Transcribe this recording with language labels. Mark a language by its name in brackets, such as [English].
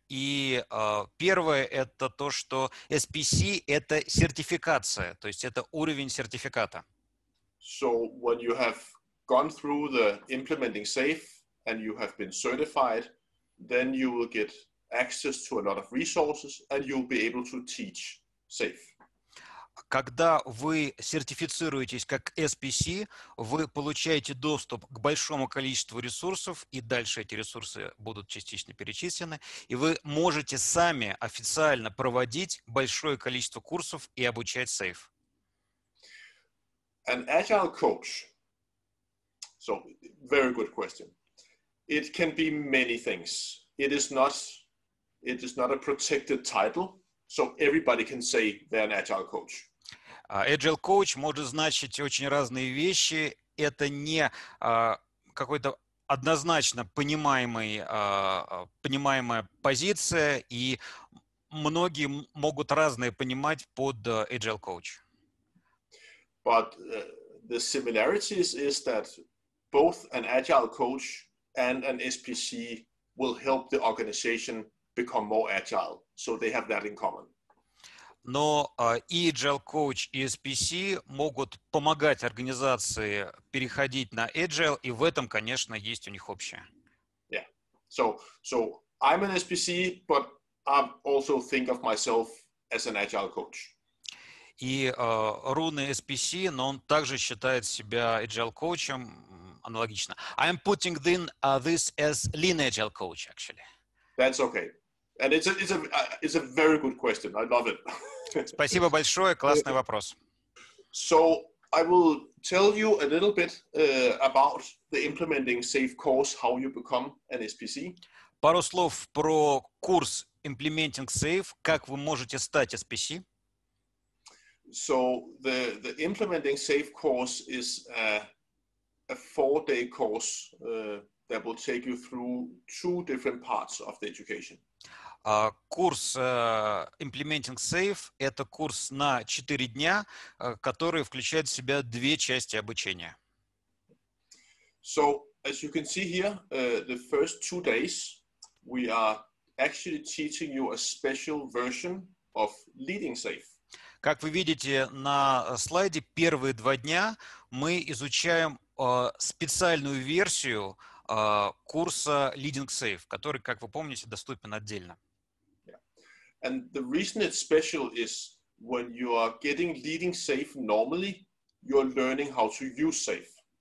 [Russian] И первое, это то, что SPC – это сертификация, то есть это уровень сертификата. [English] So when you have gone through the implementing SAFe and you have been certified, then you will get access to a lot of resources and you'll be able to teach SAFe. [Russian] Когда вы сертифицируетесь как SPC, вы получаете доступ к большому количеству ресурсов, и дальше эти ресурсы будут частично перечислены, и вы можете сами официально проводить большое количество курсов и обучать SAFe. [English] An agile coach. So, very good question. It can be many things. It is not a protected title, so everybody can say they're an agile coach. [Russian] Agile coach может значить очень разные вещи. Это не какой-то однозначно понимаемая позиция, и многие могут разное понимать под agile coach. [English] But the similarities is that both an agile coach and an SPC will help the organization become more agile. So they have that in common. [Russian] Но и Agile Coach, и SPC могут помогать организации переходить на Agile, и в этом, конечно, есть у них общее. [English] Yeah. So I'm an SPC, but I also think of myself as an Agile Coach. [Russian] И Руны SPC, но он также считает себя Agile Coach'ем, аналогично. [English] I'm putting this as Lean Agile Coach, actually. That's okay. And it's a very good question. I love it. [Russian] Спасибо большое, классный вопрос. [English] So I will tell you a little bit about the implementing SAFe course, how you become an SPC. [Russian] Пару слов про курс implementing SAFe, как вы можете стать SPC. [English] So the implementing SAFe course is a 4-day course that will take you through two different parts of the education. [Russian] Курс Implementing SAFe – это курс на 4 дня, который включает в себя две части обучения. [English] So, as you can see here, the first two days, we are actually teaching you a special version of Leading SAFe. [Russian] Как вы видите на слайде, первые два дня мы изучаем специальную версию курса Leading SAFe, который, как вы помните, доступен отдельно. [English] And the reason it's special is when you are getting Leading SAFe normally, you're learning how to use SAFe.